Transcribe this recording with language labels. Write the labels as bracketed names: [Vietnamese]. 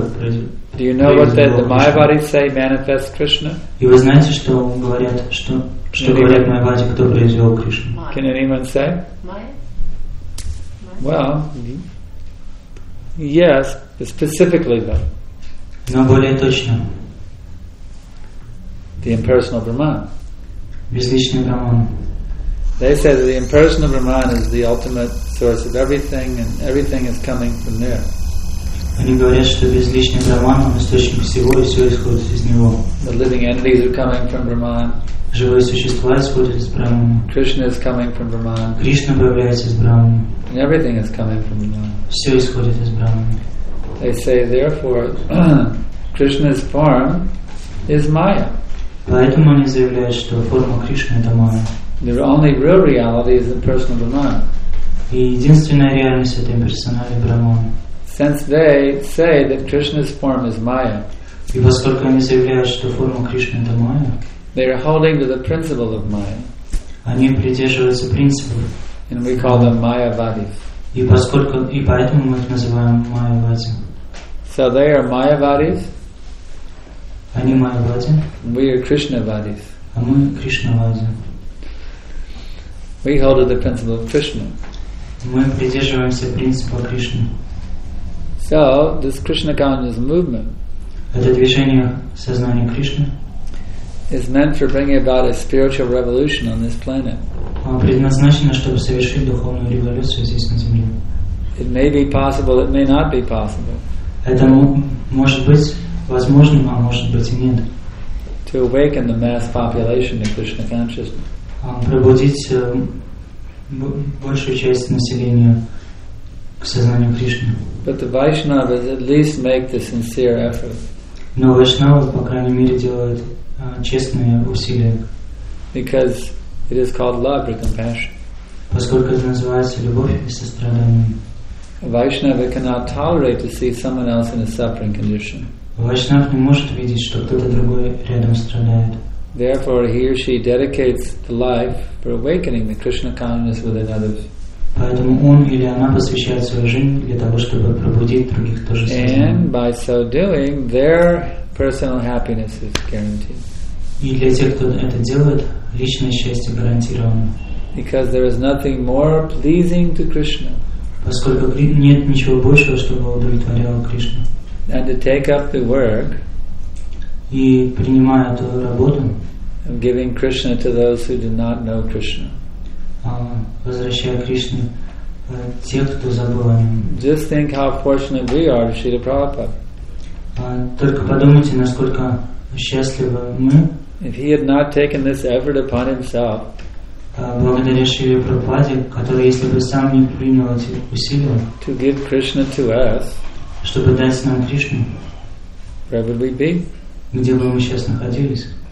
[Russian] проявило. [English] Do you know what the Mayavadis say manifests Krishna? [Russian] И вы знаете, что говорят, что говорят Майявади, кто произвел Кришну? [English] Can anyone say? [Russian] Майя. [English] Well, yes, specifically though. [Russian] Но более точно. [English] The impersonal Brahman. [Russian] Безличный Брахман. [English] They say that the impersonal Brahman is the ultimate source of everything, and everything is coming from there. [Russian] Они говорят, что безличный Брахман он источник всего, и все исходит из него. [English] The living entities are coming from Brahman. [Russian] Живые существа исходят из Брахмана. [English] Krishna is coming from Brahman. [Russian] Кришна появляется из Брахмана. [English] And everything is coming from Brahman. [Russian] Все исходит из Брахмана. [English] They say, therefore, Krishna's form is Maya. [Russian] Поэтому они заявляют, что форма Кришны это Майя. [English] The only real reality is the impersonal Brahman. [Russian] И единственная реальность это имперсональный Брахман. [English] Since they say that Krishna's form is Maya. [Russian] И поскольку они заявляют, что форма Кришны это Майя. [English] They are holding to the principle of Maya. [Russian] Они придерживаются принципов. [English] And we call them Mayavadis. [Russian] И поэтому мы их называем Mayavadi. [English] So they are Mayavadis. [Russian] Они Майявади. [English] We are Krishnavadis. [Russian] А мы Кришнавади. [English] We hold to the principle of Krishna. [Russian] Мы придерживаемся принципа Кришны. [English] So this Krishna consciousness movement. [Russian] Это движение сознания Кришны. [English] Is meant for bringing about a spiritual revolution on this planet. [Russian] Оно предназначено, чтобы совершить духовную революцию здесь на Земле. [English] It may be possible. It may not be possible. [Russian] Это может быть. Возможно, а может быть и нет. [English] To awaken the mass population of Krishna consciousness. [Russian] Пробудить большую часть населения к сознанию Кришны. [English] But the Vaishnavas at least make the sincere effort. [Russian] Но Вайшнавы, по крайней мере, делают честные усилия. [English] Because it is called love or compassion. [Russian] Поскольку это называется любовь и сострадание. [English] A Vaishnava cannot tolerate to see someone else in a suffering condition. [Russian] Вайшнав не может видеть, что кто-то другой рядом страдает. [English] Therefore, he or she dedicates the life for awakening the Krishna consciousness within others. [Russian] Поэтому он или она посвящает свою жизнь для того, чтобы пробудить других тоже. [English] And by so doing, their personal happiness is guaranteed. [Russian] И для тех, кто это делает, личное счастье гарантировано. [English] Because there is nothing more pleasing to Krishna. [Russian] Поскольку нет ничего большего, чтобы удовлетворяло Кришну. [English] And to take up the work [Russian] и принимая эту работу [English] of giving Krishna to those who do not know Krishna. [Russian] Возвращая Кришне тех, кто забыл о нем. [English] Just think how fortunate we are, Srila Prabhupada. [Russian] Только подумайте, насколько счастливы мы. [English] If he had not taken this effort upon himself, [Russian] благодаря Шриле Прабхупаде, который если бы сам не принял эти усилия [English] to give Krishna to us, [Russian] чтобы дать нам Кришну. [English] Where would we be? [Russian] Где бы мы сейчас находились?